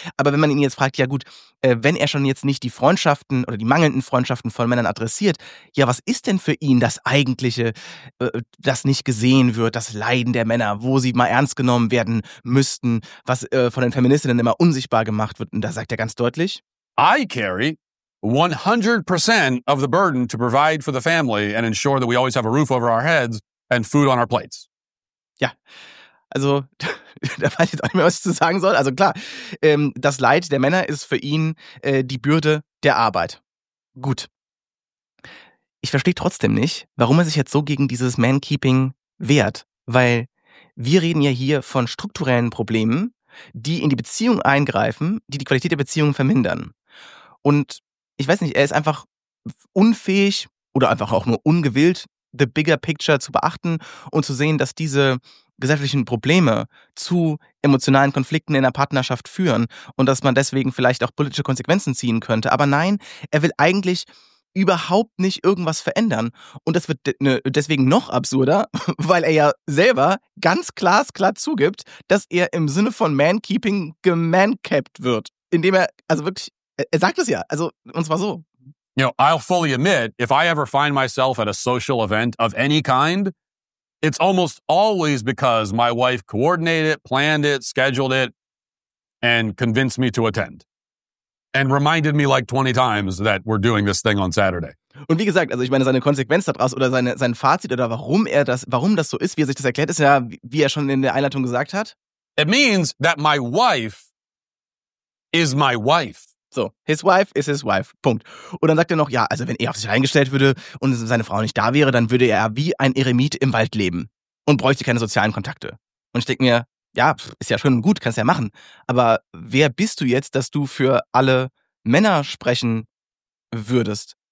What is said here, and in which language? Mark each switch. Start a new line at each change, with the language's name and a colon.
German: Aber wenn man ihn jetzt fragt, ja gut, wenn er schon jetzt nicht die Freundschaften oder die mangelnden Freundschaften von Männern adressiert, ja, was ist denn für ihn das Eigentliche, das nicht gesehen wird, das Leiden der Männer, wo sie mal ernst genommen werden müssten, was von den Feministinnen immer unsichtbar gemacht wird? Und da sagt er ganz deutlich:
English: I carry 100% of the burden to provide for the family and ensure that we always have a roof over our heads and food on our plates.
German: Ja, also da weiß ich jetzt auch nicht mehr, was ich zu sagen soll. Also klar, das Leid der Männer ist für ihn die Bürde der Arbeit. Gut. Ich verstehe trotzdem nicht, warum er sich jetzt so gegen dieses Mankeeping wehrt. Weil wir reden ja hier von strukturellen Problemen, die in die Beziehung eingreifen, die die Qualität der Beziehung vermindern. Und ich weiß nicht, er ist einfach unfähig oder einfach auch nur ungewillt,
English: the bigger picture
German: zu beachten und zu sehen, dass diese gesellschaftlichen Probleme zu emotionalen Konflikten in der Partnerschaft führen und dass man deswegen vielleicht auch politische Konsequenzen ziehen könnte. Aber nein, er will eigentlich überhaupt nicht irgendwas verändern. Und das wird deswegen noch absurder, weil er ja selber ganz glasklar zugibt, dass er im Sinne von Mankeeping gemancapped wird. Indem er, also wirklich, er sagt es ja, also und zwar so.
English: You know, I'll fully admit, if I ever find myself at a social event of any kind, it's almost always because my wife coordinated, planned it, scheduled it, and convinced me to attend. And reminded me like 20 times that we're doing this thing on Saturday.
German: Und wie gesagt, also ich meine, seine Konsequenz daraus oder sein Fazit oder warum das so ist, wie er sich das erklärt, ist ja, wie er schon in der Einleitung gesagt hat.
English: It means that my wife is my wife. So, his wife is his wife. Punkt.
German: Und dann sagt er noch, ja, also wenn er auf sich eingestellt würde und seine Frau nicht da wäre, dann würde er wie ein Eremit im Wald leben und bräuchte keine sozialen Kontakte. Und ich denke mir, ja, ist ja schön und gut, kannst ja machen. Aber wer bist du jetzt, dass du für alle Männer sprechen würdest?